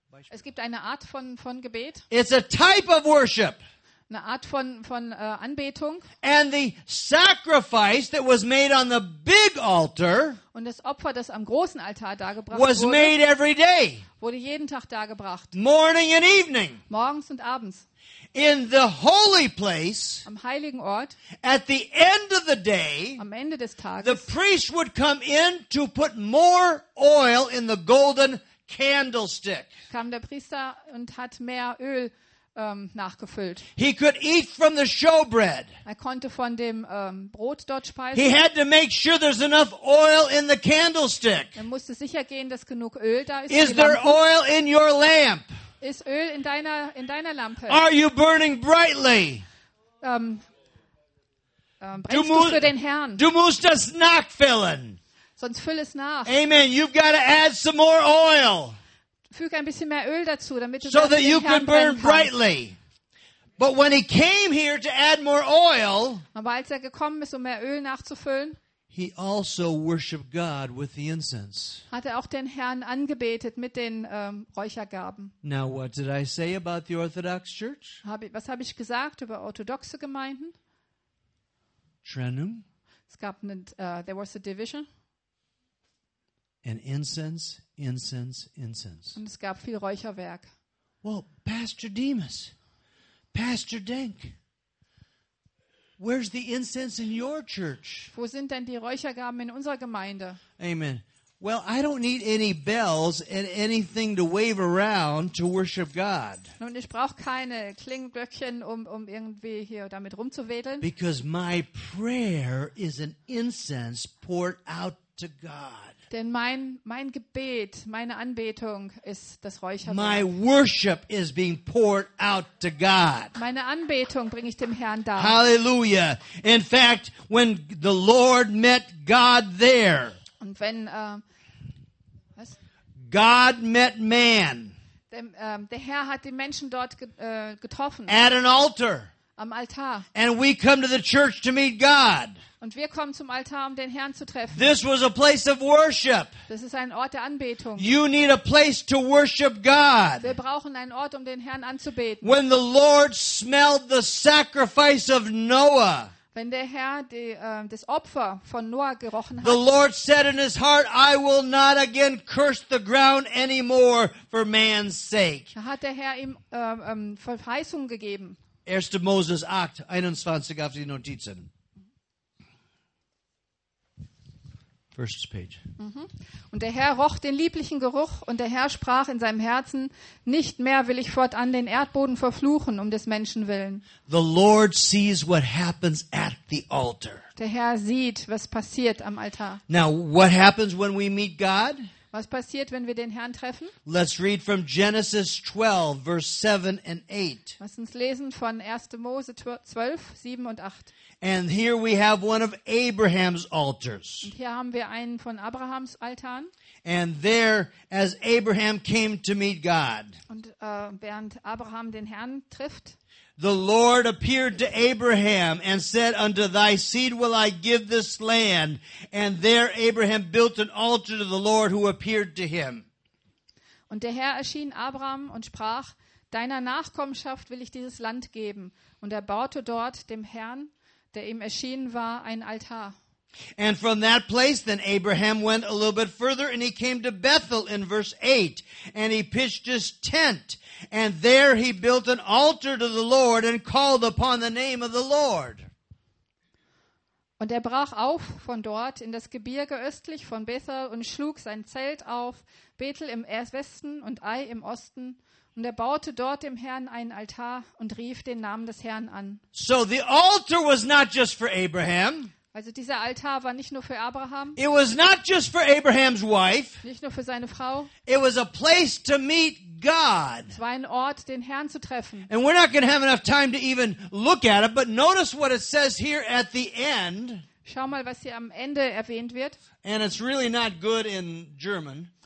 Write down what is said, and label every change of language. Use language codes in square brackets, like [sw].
[de] Es gibt eine Art von Gebet. [en] It's a type of worship. [de] Eine Art von Anbetung. [en] And the sacrifice that was made on the big altar. [de] Und das Opfer, das am großen Altar dargebracht [en] was [de] wurde, [en] made every day. [de] Wurde jeden Tag dargebracht. [en] Morning and evening. [de] Morgens und abends. [en] In the holy place. [de] Am heiligen Ort. [en] At the end of the day. [de] Am Ende des Tages. [en] The priest would come in to put more oil in the golden candlestick. [de] Kam der Priester und hat mehr Öl nachgefüllt. [en] He could eat from the showbread. [de] Er konnte von dem Brot dort speisen. [en] He had to make sure there's enough oil in the candlestick. [de] Er musste sicher gehen, dass genug Öl da ist. [en] Is there oil in your lamp? [de] Ist Öl in deiner Lampe? [en] Are you burning brightly? [de] Brennst du für den Herrn? Du musst das nachfüllen. Sonst füll es nach. Amen. [en] You've got to add some more oil. [de] Füge ein bisschen mehr Öl dazu, damit du [en] so that you can burn brightly. But when he came here to add more oil, [de] aber als er gekommen ist, um mehr Öl nachzufüllen, [en] he also worshiped God with the incense. [de] Hat er auch den Herrn angebetet mit den Räuchergaben. [en] Now what did I say about the Orthodox Church? [de] Was habe ich gesagt über orthodoxe Gemeinden? Trennung. Es gab eine, [en] there was a division. And incense, incense, incense. [de] Und es gab viel Räucherwerk. [en] Well, Pastor Demas, Pastor Denk, where's the incense in your church? [de] Wo sind denn die Räuchergaben in unserer Gemeinde? Amen. [en] Well, I don't need any bells and anything to wave around to worship God. [de] Nun, ich brauche keine Klingglöckchen, um irgendwie hier damit rumzuwedeln. [en] Because my prayer is an incense poured out to God. [de] Denn mein Gebet, meine Anbetung ist das Räucherwerk. [en] My worship is being poured out to God. [de] Meine Anbetung bringe ich dem Herrn dar. Hallelujah. [en] In fact, when the Lord met God there. [de] Und wenn was? [en] God met man. [de] Der Herr hat die Menschen dort getroffen. [en] At an altar. [de] Am Altar. [en] And we come to the church to meet God. [de] Und wir kommen zum Altar, um den Herrn zu treffen. [en] This was a place of worship. [de] Das ist ein Ort der Anbetung. [en] You need a place to worship God. [de] Wir brauchen einen Ort, um den Herrn anzubeten. [en] When the Lord smelled the sacrifice of Noah. [de] Wenn der Herr das Opfer von Noah gerochen hat. [en] The Lord said in his heart, I will not again curse the ground anymore for man's sake. [de] Da hat der Herr ihm Verheißung gegeben. 1. Moses 8, 21 auf die Notizen. [en] First page. [de] Und der Herr roch den lieblichen Geruch und der Herr sprach in seinem Herzen, nicht mehr will ich fortan den Erdboden verfluchen um des Menschen willen. [en] The Lord sees what happens at the altar. [de] Der Herr sieht, was passiert am Altar. [en] Now, what happens when we meet God? [de] Was passiert, wenn wir den Herrn treffen? [en] Let's read from Genesis 12, verse 7 and 8. [de] Lass uns lesen von 1. Mose 12, 7 und 8. [en] And here we have one of Abraham's altars. [de] Und hier haben wir einen von Abrahams Altar. [en] And there, as Abraham came to meet God. [de] Und während Abraham den Herrn trifft. [en] The Lord appeared to Abraham and said, unto thy seed will I give this land. And there Abraham built an altar to the Lord who appeared to him. [de] Und der Herr erschien Abraham und sprach, deiner Nachkommenschaft will ich dieses Land geben. Und er baute dort dem Herrn, der ihm erschienen war, ein Altar. [en] And from that place, then Abraham went a little bit further, and he came to Bethel in verse 8, and he pitched his tent, and there he built an altar to the Lord and called upon the name of the Lord. [de] Und er brach auf von dort in das Gebirge östlich von Bethel und schlug sein Zelt auf, Bethel im Westen und Ai im Osten, und er baute dort dem Herrn einen Altar und rief den Namen des Herrn an. [en] So the altar was not just for Abraham. [de] Also dieser Altar war nicht nur für Abraham. [en] It was not just for Abraham's wife. [de] Nicht nur für seine Frau. [en] It was a place to meet God. [de] Es war ein Ort, den Herrn zu treffen. [en] And we're not going to have enough time to even look at it, but notice what it says here at the end. [de] Schau mal, was hier am Ende erwähnt wird. [en] And it's really not good in German.